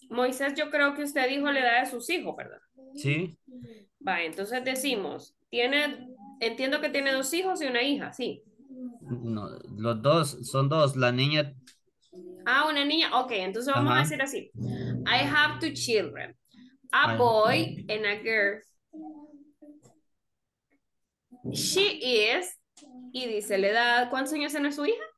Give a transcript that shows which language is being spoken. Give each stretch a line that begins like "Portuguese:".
Spanish: Moisés, yo creo que usted dijo la edad de sus hijos, ¿verdad? Sí. Va, entonces decimos, tiene, entiendo que tiene 2 hijos y 1 hija, sí. No, los dos, son 2, la niña. Ah, una niña, ok, entonces vamos a decir así.
English: I have 2 children, a boy and a girl. She is,
Spanish: y dice la edad, ¿cuántos años tiene su hija?